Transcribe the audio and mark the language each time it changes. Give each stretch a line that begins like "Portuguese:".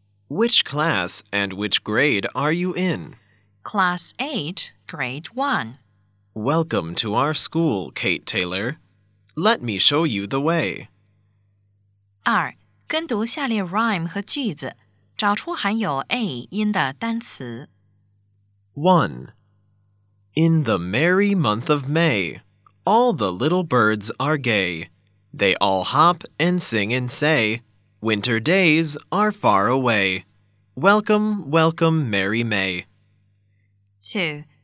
English: Which class and which grade are you in? Class 8, grade 1. Welcome to our school, Kate Taylor. Let me show you the way.
Chinese: 二，跟读下列 rhyme 和句子，找出含有 A 音的单词。
English: 1. In the merry month of May, all the little birds are gay. They all hop and sing and say, Winter days are far away. Welcome, welcome, merry May. 2.